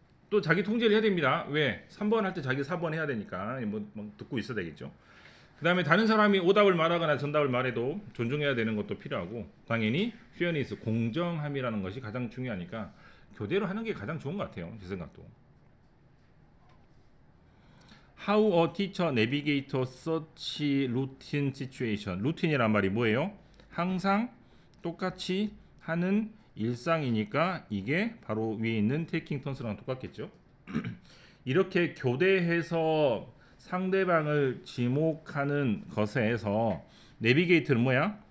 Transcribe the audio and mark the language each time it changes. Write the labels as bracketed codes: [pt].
[ko] 또 자기 통제를 해야 됩니다. 왜? 3번 할 때 자기 4번 해야 되니까 뭐 막 듣고 있어야 되겠죠. 그 다음에 다른 사람이 오답을 말하거나 전답을 말해도 존중해야 되는 것도 필요하고, 당연히 fairness, 공정함이라는 것이 가장 중요하니까 교대로 하는 게 가장 좋은 것 같아요. 제 생각도. [en] How a teacher navigates such routine situation. [ko] routine이란 말이 뭐예요? 항상 똑같이 하는 일상이니까 이게 바로 위에 있는 taking turns랑 똑같겠죠. 이렇게 교대해서 상대방을 지목하는 것에서 navigate는 뭐야?